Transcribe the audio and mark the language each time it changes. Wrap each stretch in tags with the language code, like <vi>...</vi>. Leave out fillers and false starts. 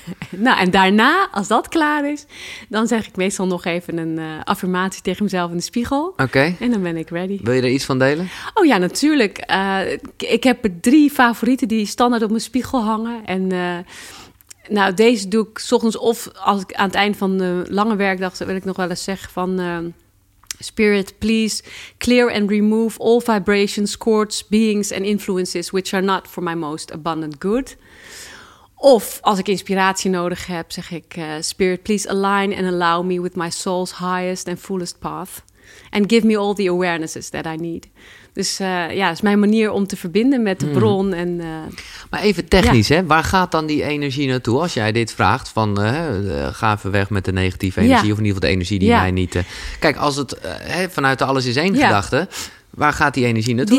<nl>Nou, en daarna, als dat klaar is, dan zeg ik meestal nog even een affirmatie tegen mezelf in de spiegel. Oké. En dan ben ik ready. Wil je er iets van delen? Oh ja, natuurlijk. Ik heb drie favorieten die standaard op mijn spiegel hangen en... Nou, deze doe ik 's ochtends of als ik aan het eind van de lange werkdag... wil ik nog wel eens zeggen van...</nl> <en>Spirit, please clear and remove all vibrations, cords, beings and influences... which are not for my most abundant good.</en> <nl>Of als ik inspiratie nodig heb, zeg ik...</nl> <en>Spirit, please align and allow me with my soul's highest and fullest path. And give me all the awarenesses that I need.</en> <nl>Dus ja, is mijn manier om te verbinden met de bron. En, maar even technisch, ja. Hè? Waar gaat dan die energie naartoe? Als jij dit vraagt, van ga even weg met de negatieve energie. Ja. Of in ieder geval de energie die mij niet... Kijk, als het vanuit de alles is één gedachte... Waar gaat die energie naartoe</nl>